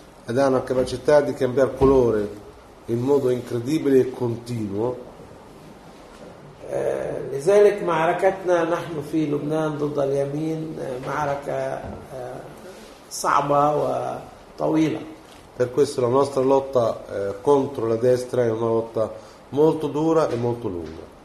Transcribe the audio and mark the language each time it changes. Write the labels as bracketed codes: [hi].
[it] Ed ha una capacità di cambiare colore in modo incredibile e continuo. [ar] لذلك معركتنا نحن في لبنان ضد اليمين معركة صعبة وطويلة. [it] Per questo la nostra lotta contro la destra è una lotta molto dura e molto lunga.